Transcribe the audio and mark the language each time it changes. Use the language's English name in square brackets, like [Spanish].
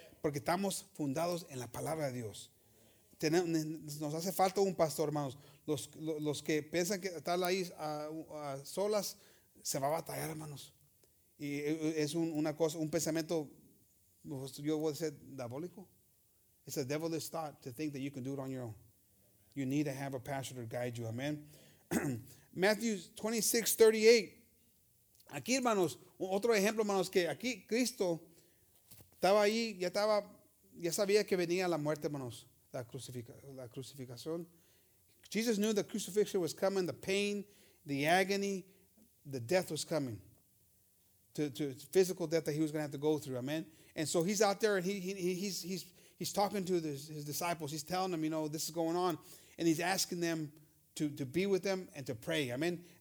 [Spanish] Porque estamos fundados en la palabra de Dios. Nos hace falta un pastor, hermanos. Los que piensan que estar ahí a solas, se va a batallar, hermanos. Y es una cosa, un pensamiento, yo voy a decir, diabólico. [English] It's a devilish thought to think that you can do it on your own. You need to have a pastor to guide you. Amen. Matthew 26:38. [Spanish] Aquí, hermanos, otro ejemplo, hermanos, que aquí Cristo estaba ahí, ya sabía que venía la muerte, hermanos, la crucificación. [English] Jesus knew the crucifixion was coming, the pain, the agony, the death was coming. To physical death that he was going to have to go through, amen? And so he's out there and he's talking to his disciples. He's telling them, you know, this is going on. And he's asking them to be with them and to pray, amen?